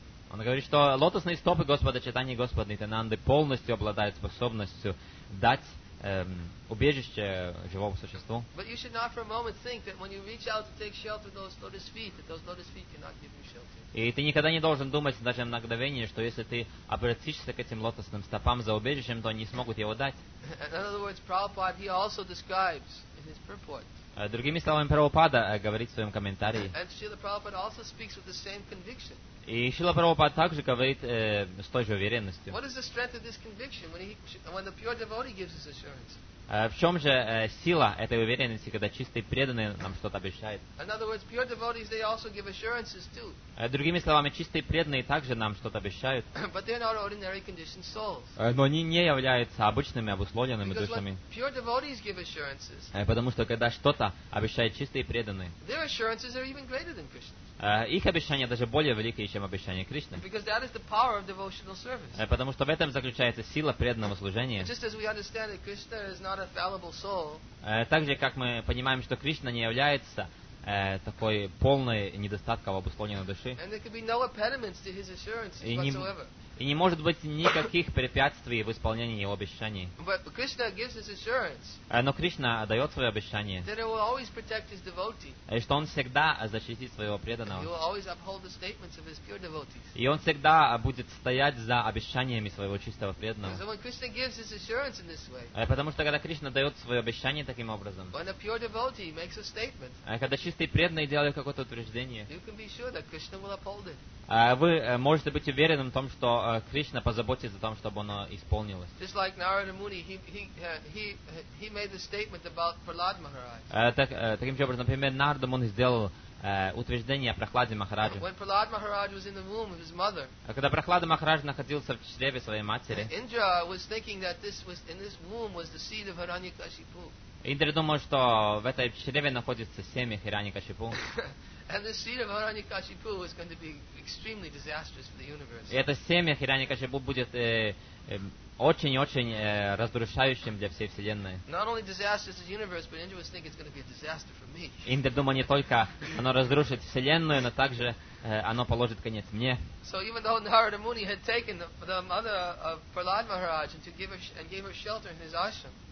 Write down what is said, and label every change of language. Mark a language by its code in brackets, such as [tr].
[ru] Он говорит, что лотосные стопы Господа Чайтаньи и Господа Нитьянанды полностью обладают способностью дать убежище живому существу. [en] But you should not for a moment think that when you reach out to take shelter those lotus feet, that those lotus feet cannot give you shelter. [ru] И ты никогда не должен думать даже на мгновение, что если ты обратишься к этим лотосным стопам за убежищем, то они смогут его дать. [en] In other words, Prabhupada, he also describes in his purport. [ru] Другими словами, Прабхупада говорит в своем комментарии. [en] And Srila Prabhupada also speaks with the same conviction. [ru] И Шрила Прабхупада также говорит с той же уверенностью. [en] What is the strength of this conviction when the pure devotee gives his assurance? [ru] В чем же сила этой уверенности, когда чистый преданный нам что-то обещает? [en] In other words, pure devotees, they also give assurances too. [ru] Другими словами, чистые преданные также нам что-то обещают. [en] But they're not ordinary conditioned souls. [ru] Но они не являются обычными, обусловленными [en] Because [ru] душами. [en] When pure devotees give assurances, [ru] потому что когда что-то обещают чистые преданные, [en] their assurances are even greater than Krishna's. [ru] Их обещания даже более великие, чем обещания Кришны. [en] Because that is the power of devotional service. [ru] Потому что в этом заключается сила преданного служения. [en] Just as we understand that Krishna is not a fallible soul, [ru] так же, как мы понимаем, что Кришна не является такой полной недостатков обусловленной души. [en] And there could be no impediments to his assurances whatsoever. [ru] И не может быть никаких препятствий в исполнении его обещаний. [en] But Krishna gives his assurance, [ru] но Кришна дает свое обещание, [en] that he will always protect his devotee, [ru] и что он всегда защитит своего преданного. [en] He will always uphold the statements of his pure devotees. [ru] И он всегда будет стоять за обещаниями своего чистого преданного. [en] So when Krishna gives his assurance in this way, [ru] потому что когда Кришна дает свое обещание таким образом, [en] when a pure devotee makes a statement, [ru] когда чистый преданный делает какое-то утверждение, [en] you can be sure that Krishna will uphold it. [ru] Вы можете быть уверенным в том, что Кришна позаботится о том, чтобы оно исполнилось. [en] Just like Narada Muni, he made the statement about Prahlad Maharaj. [ru] Таким же образом, например, Нарада Муни сделал утверждение о Прахладе Махараджа. [en] When Prahlad Maharaj was in the womb of his mother, [ru] когда Прахлада Махарадж находился в чреве своей матери, [en] Indra was thinking that this was in this womb was the seed of Hiranyakashipu. [ru] Индра думал, что в этой чреве находится семя Хиранья-Кашипу. [en] And the seed of Hiranyakashipu is going to be extremely disastrous for the universe. [ru] Это семя Хиранья-Кашипу будет очень-очень разрушающим для всей вселенной. [en] Not only disastrous for the universe, but Indra thinks it's going to be a disaster for me. [ru] Индра думал не только оно разрушит вселенную, но также оно положит конец мне. [en] So even though Narada Muni had taken the mother of Prahlad Maharaj and to give her and gave her shelter in his ashram.